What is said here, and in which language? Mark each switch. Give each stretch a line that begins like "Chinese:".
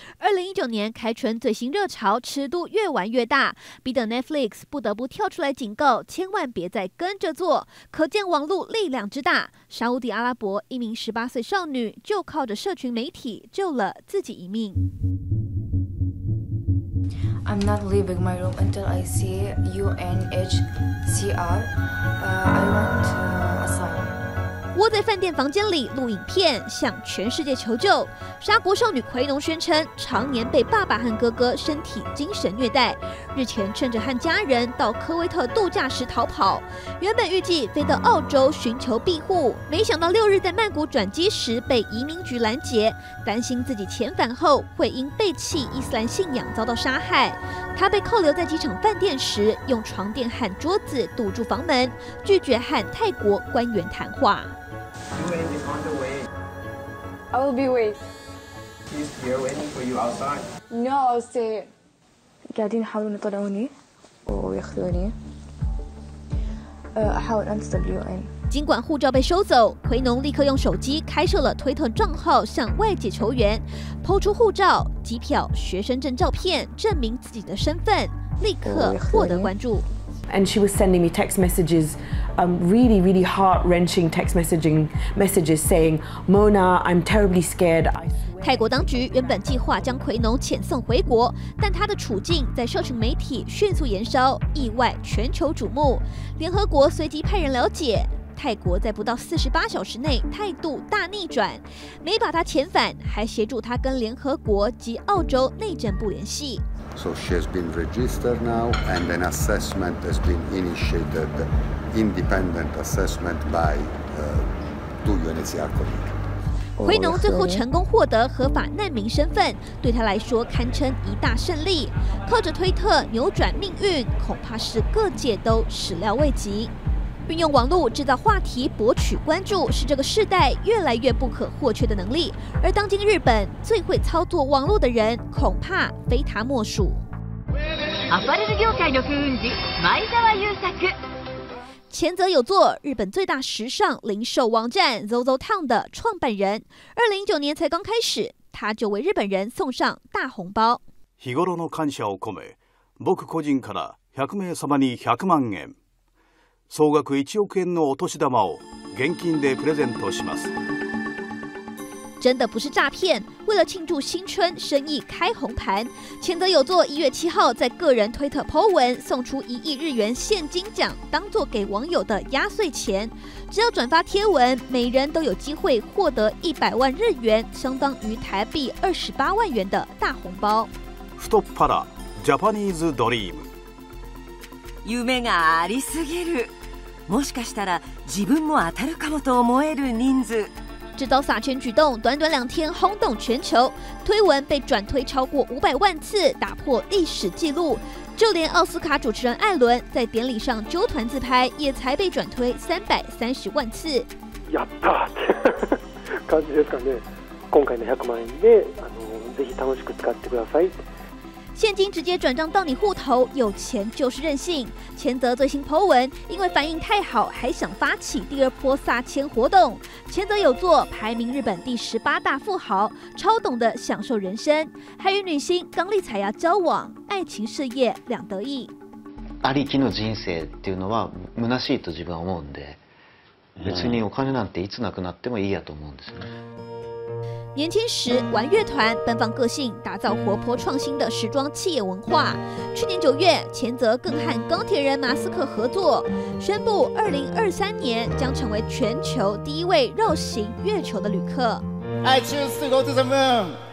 Chinese: 2019年开春最新热潮，尺度越玩越大，逼得 Netflix 不得不跳出来警告，千万别再跟着做。可见网络力量之大。沙烏地阿拉伯一名18岁少女就靠着社群媒体救了自己一命。
English: I'm not leaving my room until I see UNHCR. I want asylum.
Chinese: 窝在饭店房间里录影片，向全世界求救。沙国少女奎农宣称，常年被爸爸和哥哥身体精神虐待，日前趁着和家人到科威特度假时逃跑，原本预计飞到澳洲寻求庇护，没想到六日在曼谷转机时被移民局拦截，担心自己遣返后会因背弃伊斯兰信仰遭到杀害。他被扣留在机场饭店时，用床垫和桌子堵住房门，拒绝和泰国官员谈话。
English: I will be waiting. He's here waiting for you outside. No, I'll stay.
Arabic: قاعدين يحاولون يطلعوني وياخذوني. أحاول أنسى WN.
Chinese: 尽管护照被收走，奎农立刻用手机开设了推特账号向外界求援，抛出护照、机票、学生证照片，证明自己的身份，立刻获得关注。
English: And she was sending me text messages, really, really heart-wrenching text messages saying, "Mona, I'm terribly scared."
Chinese: 泰国当局原本计划将奎农遣送回国，但他的处境在社群媒体迅速燃烧，意外全球瞩目。联合国随即派人了解。泰国在不到48小时内态度大逆转，没把他遣返，还协助他跟联合国及澳洲内政部联系。
English: So she has been registered now, and an assessment has been initiated, independent assessment by two UNHCR colleagues.
Chinese: 奎农最后成功获得合法难民身份，对他来说堪称一大胜利。靠着推特扭转命运，恐怕是各界都始料未及。运用网络制造话题博取关注，是这个世代越来越不可或缺的能力。而当今日本最会操作网络的人，恐怕非他莫属。
Japanese: アパレル業界の風雲児、前澤友作。
Chinese: 前泽有作，日本最大时尚零售网站 ZOZOTOWN 的创办人，2019年才刚开始，他就为日本人送上大红包。
Japanese: 日頃の感謝を込め、僕個人から100名様に100万円。総額1億円のお年玉を現金でプレゼントします。
Chinese: 真的不是诈骗，为了庆祝新春，生意开红盘。前泽有作1月7号在个人推特 po 文，送出1亿日元现金奖，当作给网友的压岁钱。只要转发贴文，每人都有机会获得100万日元，相当于台币28万元的大红包。
Japanese: 太っ腹、ジャパニーズドリーム。夢がありすぎる。もしかしたら自分も当たるかもと思える人数。
Chinese: 这招撒钱举动短短两天轰动全球，推文被转推超过500万次，打破历史记录。就连奥斯卡主持人艾伦在典礼上揪团自拍，也才被转推330万次。
Japanese: やった！感じですかね。今回の100万円で、ぜひ楽しく使ってください。
Chinese: 现金直接转账到你户头，有钱就是任性。前泽最新 po 文，因为反应太好，还想发起第二波撒钱活动。前泽有作排名日本第18大富豪，超懂得享受人生，还与女星冈利彩芽交往，爱情事业两得意。ありきの人生っていうのは虚しいと自分は思うんで、別にお金なんていつなくなってもいいやと思うんですね。年轻时玩乐团，奔放个性，打造活泼创新的时装企业文化。去年9月，前泽更和钢铁人马斯克合作，宣布2023年将成为全球第一位绕行月球的旅客。
English: I choose to go to the moon。